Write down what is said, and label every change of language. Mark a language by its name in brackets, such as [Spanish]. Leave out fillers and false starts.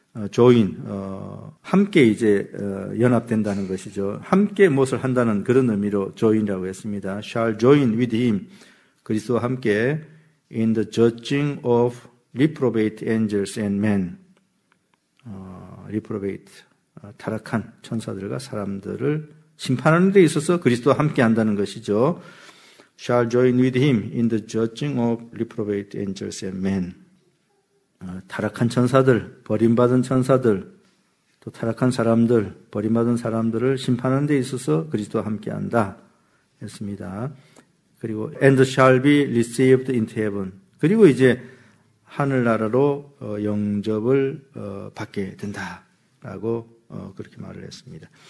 [Korean] 조인, 함께 이제 연합된다는 것이죠. 함께 무엇을 한다는 그런 의미로 조인이라고 했습니다. [English] Shall join with him, [Korean] 그리스도와 함께 [English] in the judging of reprobate angels and men. [Korean] Reprobate, 타락한 천사들과 사람들을 심판하는 데 있어서 그리스도와 함께 한다는 것이죠. [English] Shall join with him in the judging of reprobate angels and men. [Korean] 타락한 천사들, 버림받은 천사들, 또 타락한 사람들, 버림받은 사람들을 심판하는 데 있어서 그리스도와 함께한다 했습니다. [English] 그리고 and shall be received into heaven. [Korean] 그리고 이제 하늘나라로 영접을 받게 된다라고 그렇게 말을 했습니다.